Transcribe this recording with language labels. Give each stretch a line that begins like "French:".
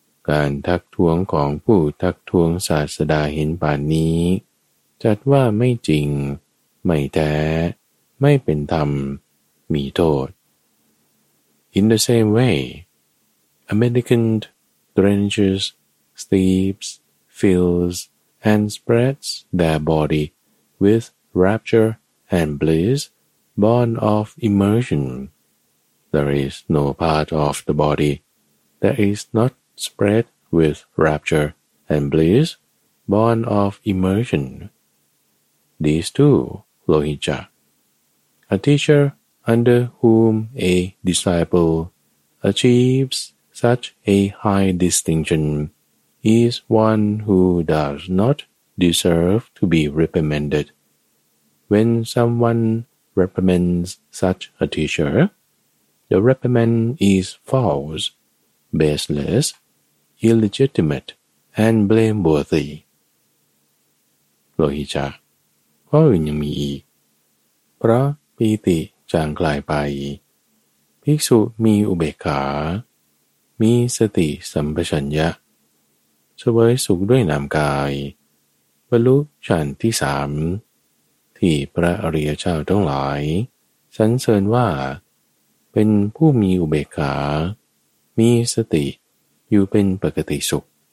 Thai: การทักท้วงของผู้ทักท้วงศาสดาเห็นป่านนี้จัดว่าไม่จริงไม่แท้ไม่เป็นธรรมมีโทษ
English: In the same wayA mendicant drenches, steeps, fills, and spreads their body with rapture and bliss born of immersion. There is no part of the body that is not spread with rapture and bliss born of immersion. These two, Lohicca. A teacher under whom a disciple achieves such a high distinction is one who does not deserve to be reprimanded. When someone reprimands such a teacher, the reprimand is false, baseless, illegitimate, and blameworthy.
Thai: Lohicca, ข้ออื่นยังมีอีกเพราะปีติจางคลายไปภิกษุมีอุเบกขามีสติสัมปชัญญะ เสวยสุขด้วยนามกายบรรลุฌานที่สามที่พระอริยเจ้าทั้งหลายสรรเสริญว่าเป็นผู้มีอุเบกขามีสติอยู่เป็นปกติสุข